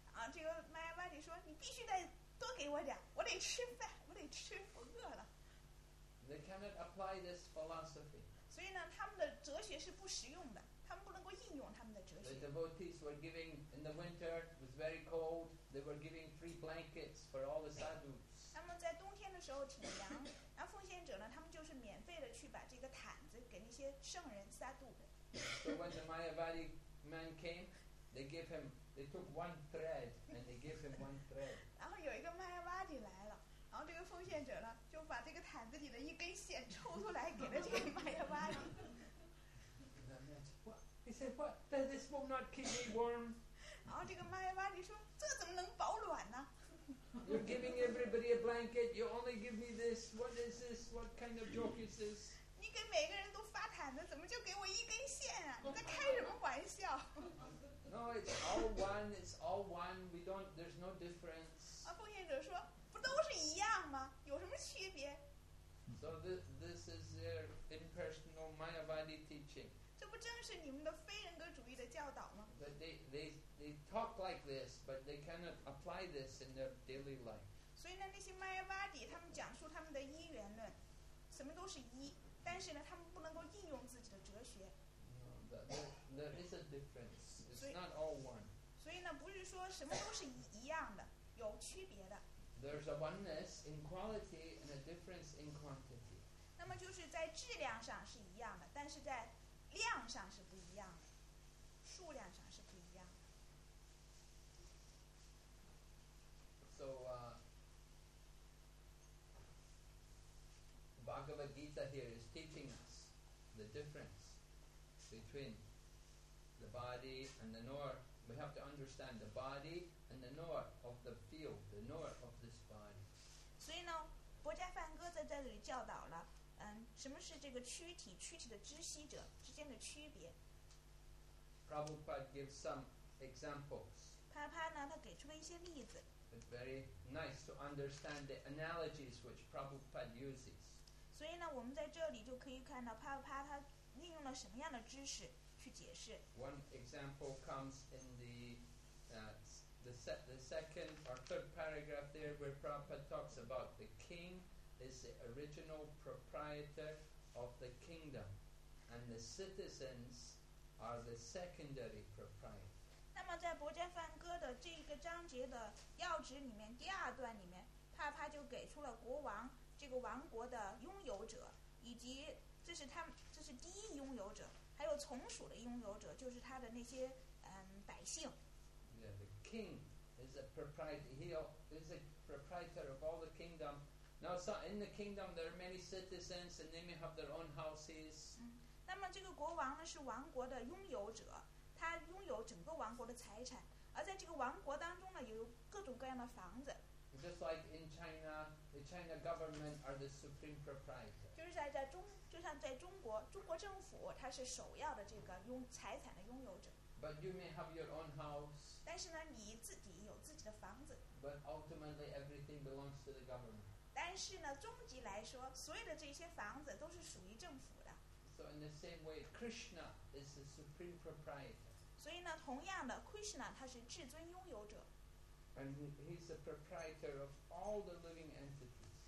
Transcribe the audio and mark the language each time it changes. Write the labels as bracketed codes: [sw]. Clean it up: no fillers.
[zh] 这个玛雅巴迪说，你必须得多给我点，我得吃饭，我得吃，我饿了。 [en] They cannot apply this philosophy. [zh] 所以呢，他们的哲学是不实用的，他们不能够应用他们的哲学。 [en] The devotees were giving, in the winter, it was very cold, they were giving free blankets for all the sadhus. [zh] 他们在冬天的时候挺凉，然后奉献者呢，他们就是免费的去把这个毯子给那些圣人sadhu。 [en] So when the Mayavadi man came, they gave him, they took one thread and they gave him one thread. [zh] 然后有一个玛雅巴迪来了，然后这个奉献者呢，就把这个毯子里的一根线抽出来给了这个玛雅巴迪。 [en] He said, what? Does this will not keep me warm? [zh] 然后这个玛雅巴迪说，这怎么能保暖呢？ [en] You're giving everybody a blanket, you only give me this. What is this? What kind of joke is this? [zh] 你给每个人都发毯子，怎么就给我一根线啊？你在开什么玩笑？ [en] No, it's all one. It's all one. We don't. There's no difference. [zh] 啊，奉献者说，不都是一样吗？有什么区别？ [en] So this is their impersonal Mayavadi teaching. [zh] 这不正是你们的非人格主义的教导吗？ [en] But they talk like this, but they cannot apply this in their daily life. [zh] 所以呢，那些 Mayavadi 他们讲述他们的一元论，什么都是一。但是呢，他们不能够应用自己的哲学。 [en] There is a difference. It's not all one. [zh] 所以呢，不是说什么都是一样的，有区别的。 [en] There's a oneness in quality and a difference in quantity. [zh] 那么就是在质量上是一样的，但是在量上是不一样的，数量上是不一样的。 [en] So, Bhagavad Gita here is teaching us the difference between the body and the knower. We have to understand the body and the knower of the field, the knower of this body. [zh] 所以呢，薄伽梵歌在这里教导了，什么是这个躯体，躯体的知悉者之间的区别。 [en] Prabhupada gives some examples. [zh] 帕帕呢，他给出了一些例子。 [en] It's very nice to understand the analogies which Prabhupada uses. [zh] 所以呢，我们在这里就可以看到帕帕帕他利用了什么样的知识去解释。 [en] One example comes in the second or third paragraph there, where Prabhupada talks about the king is the original proprietor of the kingdom, and the citizens are the secondary proprietor. [zh] 那么在《薄伽梵歌》的这个章节的要旨里面，第二段里面，帕帕就给出了国王。这个王国的拥有者，以及这是他们，这是第一拥有者，还有从属的拥有者，就是他的那些百姓。 [en] Yeah, the king is a proprietor. He is a proprietor of all the kingdom. Now, so in the kingdom, there are many citizens, and they may have their own houses. [zh] 那么这个国王呢是王国的拥有者，他拥有整个王国的财产，而在这个王国当中呢，有各种各样的房子。 [en] Just like in China, the China government are the supreme proprietor. [zh] 就是在中，就像在中国，中国政府它是首要的这个拥财产的拥有者。 [en] But you may have your own house. [zh] 但是呢，你自己有自己的房子。 [en] But ultimately, everything belongs to the government. [zh] 但是呢，终极来说，所有的这些房子都是属于政府的。 [en] So in the same way, Krishna is the supreme proprietor. [zh] 所以呢，同样的 ，Krishna 他是至尊拥有者。 [en] And he's the proprietor of all the living entities.